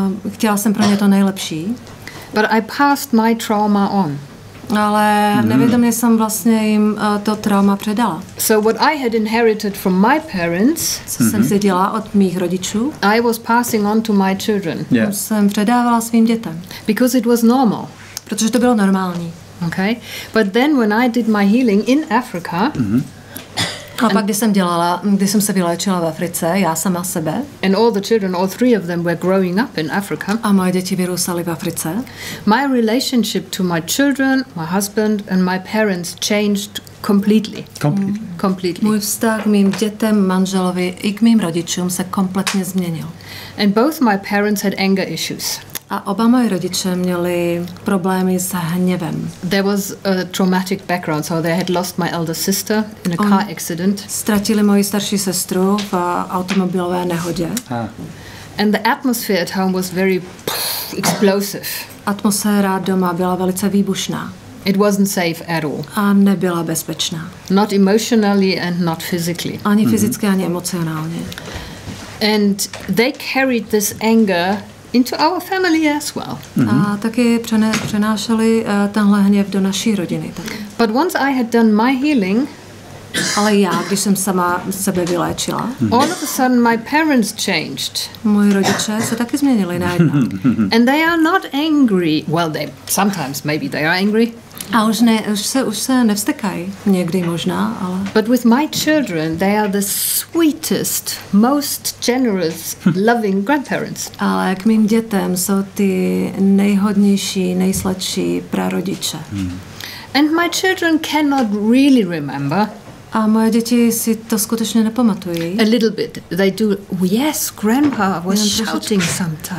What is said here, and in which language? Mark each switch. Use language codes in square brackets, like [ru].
[cs] Chtěla jsem pro ně to nejlepší. [en] But I passed my trauma on. [cs] Ale nevědomě jsem vlastně jim to trauma předala. [en] So what I had inherited from my parents, [cs] co jsem si dělala od mých rodičů, [en] I was passing on to my children. Yeah. [cs] Jsem předávala svým dětem. [en] Because it was normal. [cs] Protože to bylo normální. [en] Okay. But then when I did my healing in Africa, [cs] a pak když jsem se vyléčila v Africe, já sama sebe. [en] And all the children, all three of them were growing up in Africa. [cs] A moje děti vyrůstaly v Africe. [en] My relationship to my children, my husband and my parents changed completely. Completely. [cs] Můj vztah k mým dětem, manželovi i k mým rodičům se kompletně změnil. [en] And both my parents had anger issues. [cs] A oba moje rodiče měli problémy s hněvem. [en] There was a traumatic background, so they had lost my elder sister in a car accident. [cs] Ztratili moji starší sestru v automobilové nehodě. [en] And the atmosphere at home was very explosive. [cs] Atmosféra doma byla velice výbušná. [en] It wasn't safe at all. [cs] A nebyla bezpečná. [en] Not emotionally and not physically. [cs] Ani fyzicky, ani emocionálně. [en] And they carried this anger into our family as well. [cs] A taky přenášeli tenhle hněv do naší rodiny. Tak. [en] But once I had done my healing, [cs] ale já, když jsem sama sebe vyléčila, [en] all of a sudden my parents changed. [cs] Moji rodiče se taky změnili najednou. [en] And they are not angry. Well, they sometimes maybe they are angry. [cs] A už ne, už se nevstekají někdy možná, ale. [en] But with my children, they are the sweetest, most generous, loving grandparents. [cs] Ale k mým dětem jsou ty nejhodnější, nejsladší prarodiče. [en] And my children cannot really remember. [cs] A moje děti si to skutečně nepamatují. [en] A little bit. They do. Yes, grandpa was shouting sometimes.